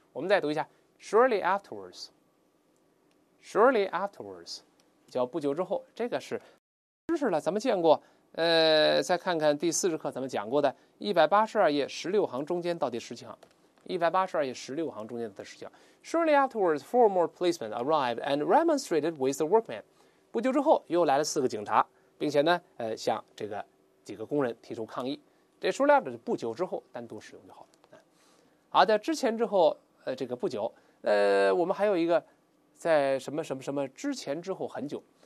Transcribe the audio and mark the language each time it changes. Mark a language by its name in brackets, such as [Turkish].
[Chinese] 我们再读一下 [English] shortly afterwards， shortly afterwards [Chinese] 叫不久之后，这个是知识了，咱们见过。再看看第四十课咱们讲过的182页16行中间到第十七行，182页16行中间的十七行。 [English] Shortly afterwards, four more policemen arrived and remonstrated with the workmen. [Chinese] 不久之后，又来了四个警察，并且呢，向这个几个工人提出抗议。这 shortly after 不久之后单独使用就好了。好，在之前之后，这个不久，我们还有一个在什么什么什么之前之后很久。